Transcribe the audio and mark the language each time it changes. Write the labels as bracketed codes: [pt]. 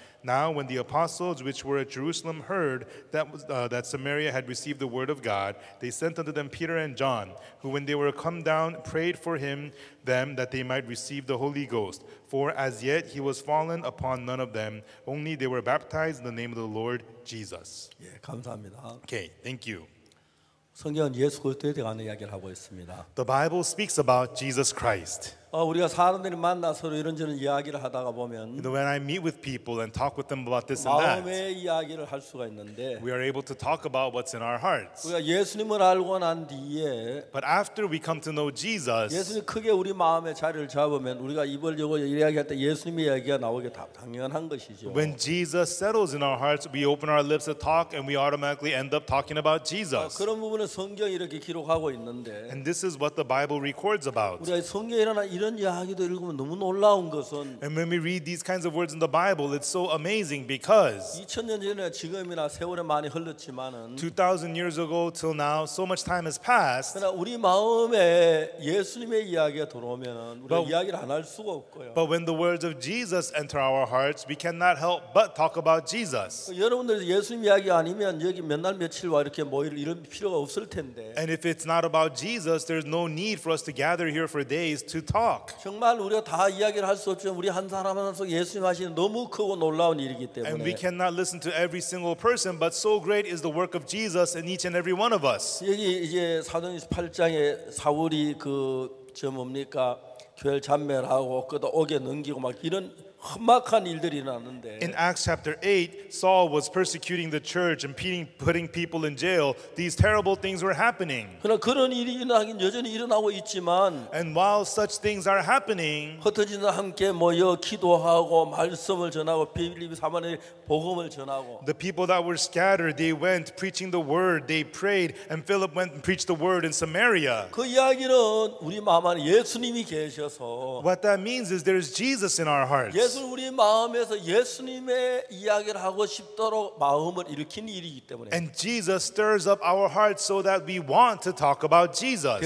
[en] Now when the apostles which were at Jerusalem heard that that Samaria had received the word of God, they sent unto them Peter and John, who when they were come down prayed for them that they might receive the Holy Ghost. For as yet he was fallen upon none of them, only they were baptized in the name of the Lord Jesus. [ko] 예, 감사합니다. [en] Okay, thank you. [ko] 성경은 예수 그리스도에 대한 이야기를 하고 있습니다. [en] The Bible speaks about Jesus Christ. [ko] 우리가 사람들이 만나서 이런저런 이야기를 하다가 보면 [en] you know, when I meet with people and talk with them about this and that [ko] 마음의 이야기를 할 수가 있는데 [en] we are able to talk about what's in our hearts. [ko] 우리가 예수님을 알고 난 뒤에 [en] but after we come to know Jesus [ko] 예수님 크게 우리 마음의 자리를 잡으면 우리가 입을 열고 이야기할 때 예수님의 이야기가 나오게 당연한 것이죠. [en] When Jesus settles in our hearts we open our lips to talk and we automatically end up talking about Jesus. [ko] 그런 부분을 성경이 이렇게 기록하고 있는데 [en] and this is what the Bible records about. [ko] 우리가 성경에 일어나 이런 이야기도 읽으면 너무 놀라운 것은 [en] And when we read these kinds of words in the Bible, it's so amazing because [ko] 2000년 전에 지금이나 세월이 많이 흘렀지만은 [en] 2000 years ago till now, so much time has passed. [ko] 그러나 우리 마음에 예수님의 이야기가 들어오면은 우리가 이야기를 안 할 수가 없고요. [en] But when the words of Jesus enter our hearts, we cannot help but talk about Jesus. [ko] 여러분들 예수님 이야기 아니면 여기 몇 날 며칠 와 이렇게 모일 이런 필요가 없을 텐데. [en] And if it's not about Jesus, there's no need for us to gather here for days to talk. [ko] 정말 우리가 다 이야기를 할 수 없지만 우리 한 사람 한 사람 예수님 하시는 너무 크고 놀라운 일이기 때문에 [en] And we cannot listen to every single person but so great is the work of Jesus in each and every one of us. [ko] 여기 이제 사도행전 8장에 사울이 그 저 뭡니까 교회를 잔멸하고 그다 옥에 넘기고 막 이런 험악한 일들이 일어났는데 [en] In Acts chapter 8 Saul was persecuting the church and putting people in jail. These terrible things were happening. [ko] 그러나 그런 일이 일어나긴 여전히 일어나고 있지만 [en] And while such things are happening [ko] 흩어진 자와 함께 모여 기도하고 말씀을 전하고 빌립이 사마리아에 복음을 전하고 [en] The people that were scattered they went preaching the word they prayed and Philip went and preached the word in Samaria. [ko] 그 이야기는 우리 마음 안에 예수님이 계셔서 [en] What that means is there is Jesus in our hearts. [ko] 예수 우리 마음에서 예수님의 이야기를 하고 싶도록 마음을 일으킨 일이기 때문에 [en] And Jesus stirs up our hearts so that we want to talk about Jesus.